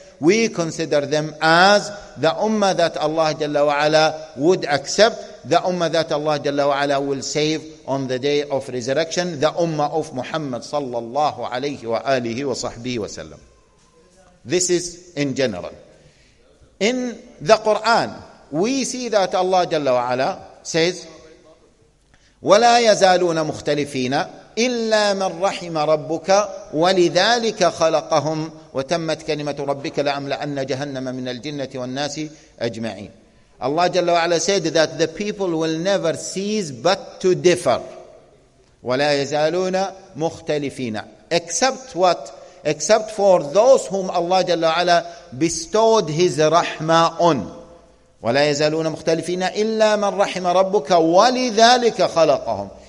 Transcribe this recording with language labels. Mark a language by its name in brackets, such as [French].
[English] We consider them as the ummah that Allah Jalla wa'ala would accept, the ummah that Allah Jalla wa'ala will save on the day of resurrection, the ummah of Muhammad sallallahu alayhi wa alihi wa sahbihi wa sallam. This is in general. In the Quran, we see that Allah Jalla wa'ala says, [Arabic] وَلَا يَزَالُونَ مُخْتَلِفِينَ إِلَّا مَنْ رَحِمَ رَبُّكَ وَلِذَلِكَ خَلَقَهُمْ وَتَمَّتْ كَلِمَةُ رَبِّكَ لَأَمْلَأَنَّ جَهَنَّمَ مِنَ الْجِنَّةِ وَالنَّاسِ أَجْمَعِينَ. [English] Allah Jalla wa'ala said that the people will never cease but to differ. [Arabic] وَلَا يَزَالُونَ مُخْتَلِفِينَ. [English] Except what? Except for those whom Allah Jalla wa'ala bestowed His rahmah on. [Arabic] وَلَا يَزَالُونَ مُخْتَلِفِينَ إِلَّا مَنْ رَحِمَ رَبُّكَ وَلِذَلِكَ خَلَقَهُمْ.